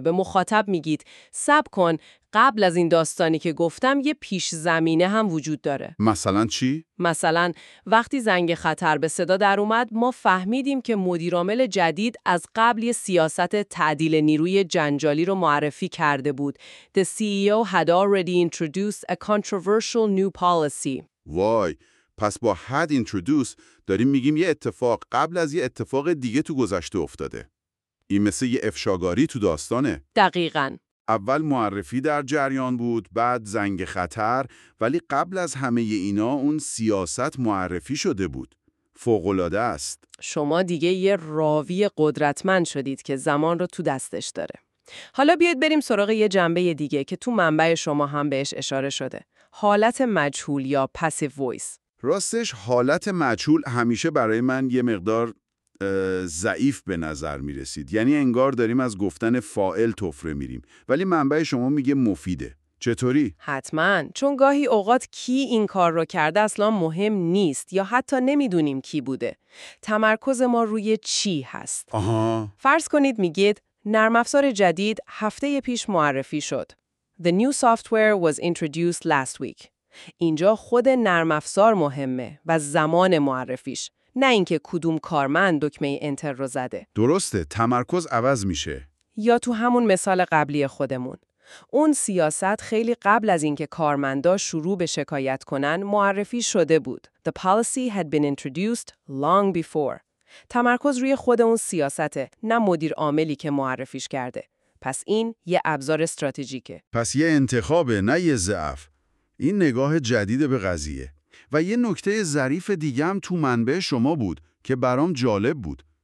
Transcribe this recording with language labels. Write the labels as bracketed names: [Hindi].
[Persian] به مخاطب میگید صبر کن، قبل از این داستانی که گفتم یه پیش زمینه هم وجود داره. مثلا چی؟ مثلا وقتی زنگ خطر به صدا در اومد، ما فهمیدیم که مدیر عامل جدید از قبل یه سیاست تعدیل نیروی جنجالی رو معرفی کرده بود. [English] The CEO had already introduced a controversial new policy. [Persian] وای، پس با had introduced داریم میگیم یه اتفاق قبل از یه اتفاق دیگه تو گذشته افتاده. این مثل یه افشاگاری تو داستانه. دقیقاً. اول معرفی در جریان بود، بعد زنگ خطر، ولی قبل از همه اینا اون سیاست معرفی شده بود. فوق‌العاده است. شما دیگه یه راوی قدرتمند شدید که زمان رو تو دستش داره. حالا بیاید بریم سراغ یه جنبه دیگه که تو منبع شما هم بهش اشاره شده. حالت مجهول یا passive voice. راستش حالت مجهول همیشه برای من یه مقدار ضعیف به نظر می رسید. یعنی انگار داریم از گفتن فاعل طفره می ریم. ولی منبع شما میگه مفیده. چطوری؟ حتما، چون گاهی اوقات کی این کار رو کرده اصلا مهم نیست یا حتی نمیدونیم کی بوده. تمرکز ما روی چی هست. آها. فرض کنید میگید نرم افزار جدید هفته پیش معرفی شد. [English] The new software was introduced last week. [Persian] اینجا خود نرم افزار مهمه و زمان معرفیش، نه اینکه کدوم کارمند دکمه انتر رو زده. درسته، تمرکز عوض میشه. یا تو همون مثال قبلی خودمون، اون سیاست خیلی قبل از اینکه کارمندا شروع به شکایت کنن معرفی شده بود. [English] The policy had been introduced long before. [Persian] تمرکز روی خود اون سیاسته، نه مدیر عاملی که معرفیش کرده. پس این یه ابزار استراتژیکه. پس یه انتخابه، نه یه ضعف. این نگاه جدید به قضیه. و یه نکته ظریف دیگه هم تو منبع شما بود که برام جالب بود.